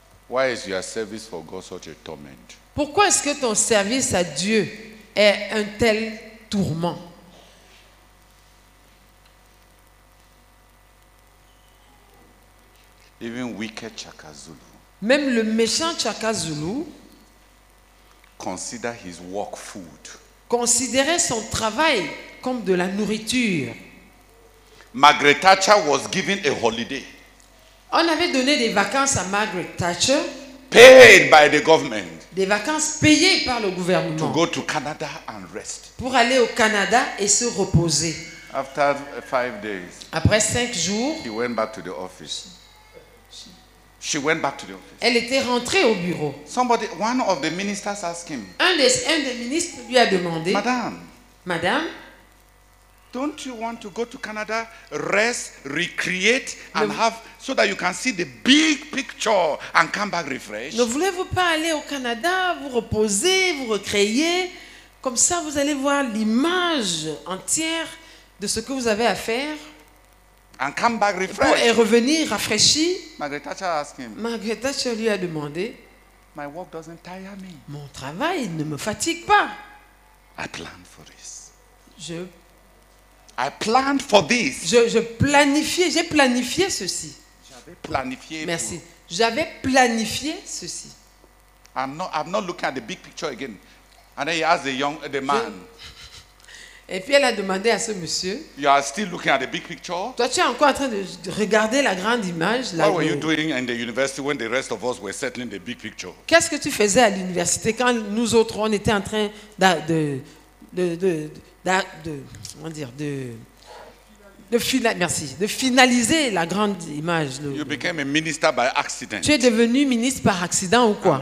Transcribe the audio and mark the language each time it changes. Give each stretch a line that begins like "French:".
English: Why is your service for God such a torment?
French: Pourquoi est-ce que ton service à Dieu est un tel tourment?
English: Even wicked Chaka Zulu,
French: même le méchant Chaka Zulu,
English: consider his work food,
French: considérait son travail comme de la nourriture.
English: Margaret Thatcher was given a holiday.
French: On avait donné des vacances à Margaret Thatcher,
English: paid by the government,
French: des vacances payées par le gouvernement,
English: to go to Canada and rest,
French: pour aller au Canada et se reposer.
English: After 5 days,
French: après 5 jours,
English: he went back to the office. She went back to the office.
French: Elle était rentrée au bureau.
English: Somebody, one of the ministers asked him.
French: Un des ministres lui a demandé.
English: Madame, don't you want to go to Canada, rest, recreate, and have so that you can see the big picture and come back refreshed?
French: Ne voulez-vous pas aller au Canada, vous reposer, vous recréer, comme ça vous allez voir l'image entière de ce que vous avez à faire?
English: And come back refreshed.
French: Et revenir rafraîchi.
English: Margaret Thatcher asked him.
French: Margaret Thatcher lui a demandé.
English: My work doesn't tire me.
French: Mon travail ne me fatigue pas.
English: I planned for this. I planned for this.
French: J'ai planifié ceci. Merci. J'avais planifié ceci.
English: I'm not looking at the big picture again. And then he asked the man.
French: Et puis elle a demandé à ce monsieur.
English: You are still looking at the big picture?
French: Toi, tu es encore en train de regarder la grande image.
English: What were you doing in the university when the rest of us were settling the big picture?
French: Qu'est-ce que tu faisais à l'université quand nous autres on était en train de de finaliser la grande image.
English: You became a minister by accident.
French: Tu es devenu ministre par accident ou quoi?